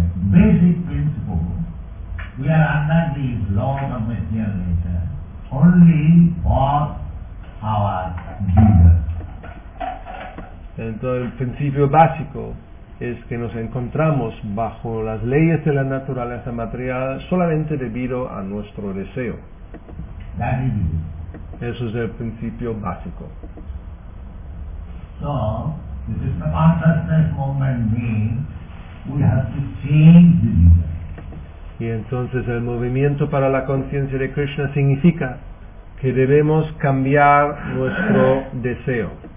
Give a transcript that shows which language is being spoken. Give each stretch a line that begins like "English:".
English: Basic principle, we are under the law of material nature only for our desires.
Spanish: Entonces, el principio básico es que nos encontramos bajo las leyes de la naturaleza material solamente debido a nuestro deseo.
English: That is it.
Spanish: Eso es el principio básico.
English: So, the Krishna consciousness movement means we have to change the desire.
Spanish: Y entonces el movimiento para la conciencia de Krishna significa que debemos cambiar nuestro deseo.